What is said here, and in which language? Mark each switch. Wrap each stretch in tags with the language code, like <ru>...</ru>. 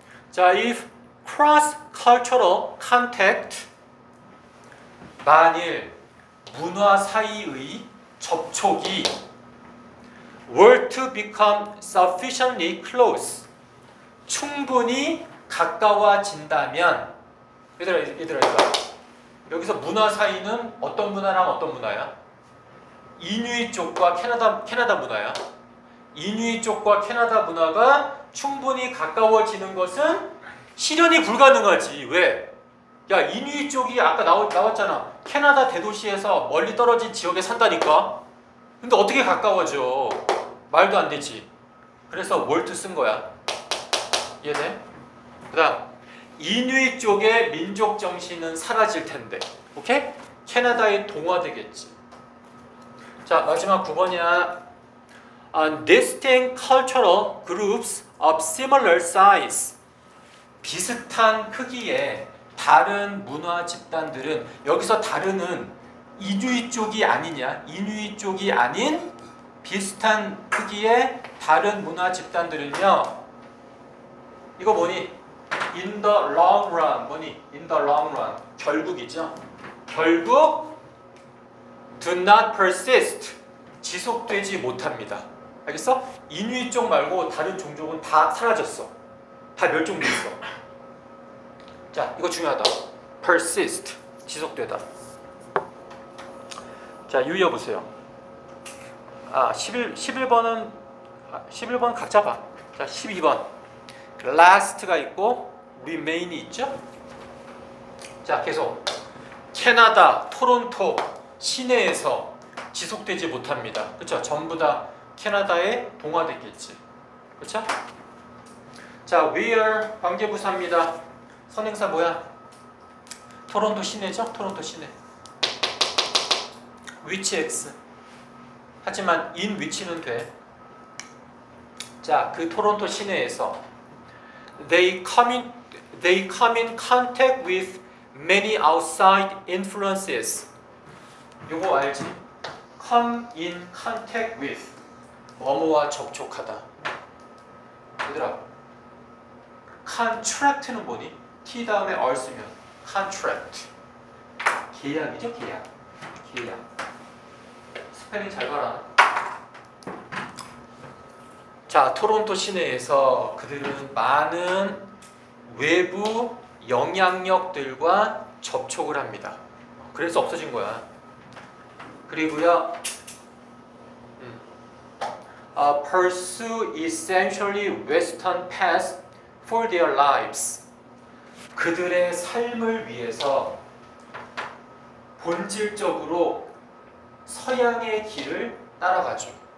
<en>자, if cross-cultural contact,</en> <ko>만일 문화 사이의 접촉이</ko> <en>were to become sufficiently close,</en> <ko>충분히 가까워진다면. 얘들아, 여기서 문화 사이는 어떤 문화랑 어떤 문화야? 이누잇 쪽과 캐나다 문화야. 이누잇 쪽과 캐나다 문화가 충분히 가까워지는 것은 실현이 불가능하지. 왜? 야, 이누잇 쪽이 아까 나왔잖아. 캐나다 대도시에서 멀리 떨어진 지역에 산다니까. 근데 어떻게 가까워져? 말도 안 되지. 그래서 월트 쓴 거야. 이해돼? 그다음 이누잇 쪽의 민족 정신은 사라질 텐데. 오케이? 캐나다에 동화되겠지. 자, 마지막 9번이야.</ko> <en>Distinct cultural groups of similar size.</en> <ko>비슷한 크기의 다른 문화 집단들은, 여기서 다른은 이누잇 쪽이 아니냐? 이누잇 쪽이 아닌 비슷한 크기의 다른 문화 집단들은요. 이거 뭐니?</ko> <en>In the long run.</en> <ko>뭐니?</ko> <en>In the long run.</en> <ko>결국이죠. 결국</ko> <en>do not persist.</en> <ko>지속되지 못합니다. 알겠어? 이누잇 쪽 말고 다른 종족은 다 사라졌어. 다 멸종됐어. 자, 이거 중요하다. persist. 지속되다. 자, 유의어 보세요. 아, 11번은 11번 각자 봐. 자, 12번. last가 있고 remain이 있죠? 자, 계속. 캐나다 토론토 시내에서 지속되지 못합니다. 그렇죠? 전부 다 캐나다에 동화됐겠지. 그렇죠? 자, where 관계부사입니다. 선행사 뭐야? 토론토 시내죠? 토론토 시내.</ko> <en>which x.</en> <ko>하지만 in which는 돼. 자, 그 토론토 시내에서</ko> <en>they come in contact with many outside influences.</en> <ko>요거 알지?</ko> <en>come in contact with</en> <ko>뭐뭐와 접촉하다. 얘들아, contract는 뭐니? T 다음에 R 쓰면 contract. 계약이죠? 계약. 스펠링 잘 봐라. 자, 토론토 시내에서 그들은 많은 외부 영향력들과 접촉을 합니다. 그래서 없어진 거야. 그리고요.</ko> <en>Pursue essentially Western paths for their lives.</en> <ko>그들의 삶을 위해서 본질적으로 서양의 길을 따라가죠.</ko>